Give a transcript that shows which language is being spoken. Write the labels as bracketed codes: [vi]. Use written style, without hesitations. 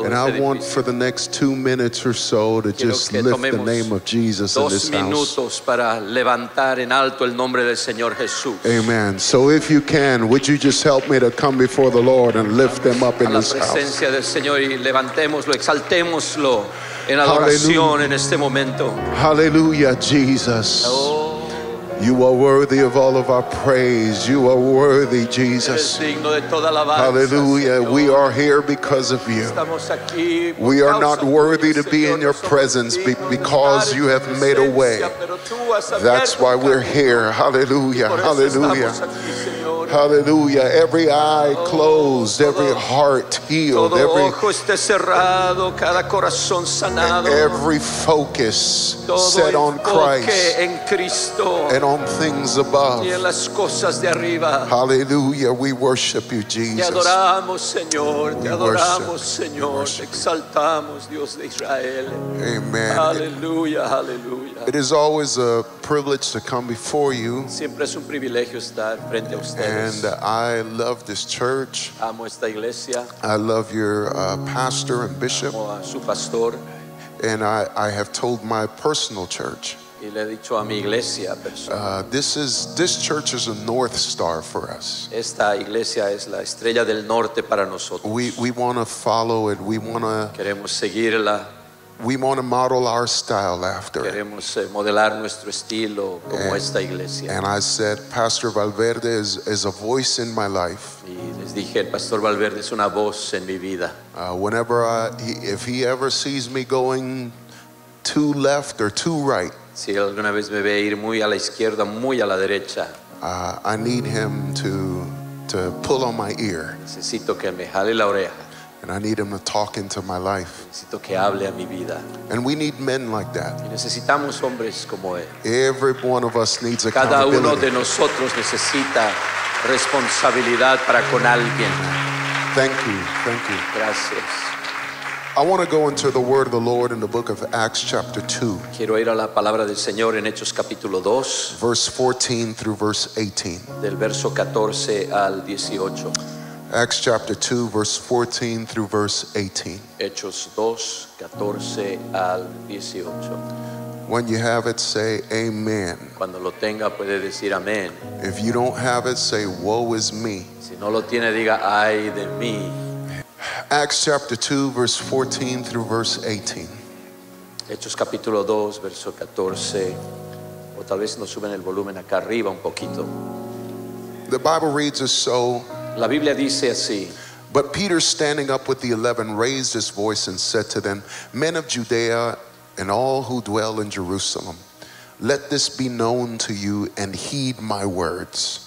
[en] and I want for the next 2 minutes or so to just lift the name of Jesus in this house. [es] Para levantar en alto el nombre del Señor Jesús. [en] Amen. So if you can, would you just help me to come before the Lord and lift them up in [es] a la presencia [en] this house? [es] Del Señor y levantémoslo, exaltémoslo en adoración en este momento. [en] Hallelujah, Jesus. Oh. You are worthy of all of our praise. You are worthy, Jesus. Hallelujah. We are here because of you. We are not worthy to be in your presence because you have made a way. That's why we're here. Hallelujah. Hallelujah. Hallelujah. Every eye closed, every heart healed, every focus set on Christ and on things above. Hallelujah. We worship you, Jesus. [es] Te adoramos, Señor. Te adoramos, Señor. Exaltamos, Dios de Israel. [en] Amen. Hallelujah. Hallelujah. It is always a privilege to come before you. [es] Siempre es un privilegio estar frente a ustedes. [en] And I love this church. [es] Amo esta iglesia. [en] I love your pastor and bishop. [es] Amo a su pastor. [en] And I have told my personal church. [es] Y le he dicho a mi iglesia, [en] this church is a north star for us. [es] Esta iglesia es la estrella del norte para nosotros. [en] We want to follow it. We want to. [es] Queremos seguirla. [en] We want to model our style after it. [es] Queremos modelar nuestro estilo como esta iglesia. [en] And I said, Pastor Valverde is a voice in my life. [es] Y les dije, el Pastor Valverde es una voz en mi vida. [en] Whenever if he ever sees me going too left or too right, [es] si alguna vez me ve ir muy a la izquierda, muy a la derecha, [en] I need him to pull on my ear. [es] Necesito que me jale la oreja. [en] And I need him to talk into my life. [es] Necesito que hable a mi vida. [en] And we need men like that. [es] Y necesitamos hombres como él. [en] Every one of us needs accountability. [es] Cada uno de nosotros necesita responsabilidad para con alguien. [en] Thank you. Thank you. [es] Gracias. [en] I want to go into the word of the Lord in the book of Acts chapter 2. [es] Quiero ir a la palabra del Señor en Hechos capítulo 2. [en] Verse 14 through verse 18. [es] Del verso 14 al 18. [en] Acts chapter 2, verse 14 through verse 18. [es] Hechos 2, 14 al 18. [en] When you have it, say amen. [es] Cuando lo tenga, puede decir amén. [en] If you don't have it, say woe is me. [es] Si no lo tiene, diga ay de mí. [en] Acts chapter 2, verse 14 through verse 18. [es] Hechos capítulo 2, verso 14. O tal vez nos suben el volumen acá arriba un poquito. [en] The Bible reads as so. [es] La Biblia dice así. [en] But Peter, standing up with the 11, raised his voice and said to them, Men of Judea and all who dwell in Jerusalem, let this be known to you and heed my words.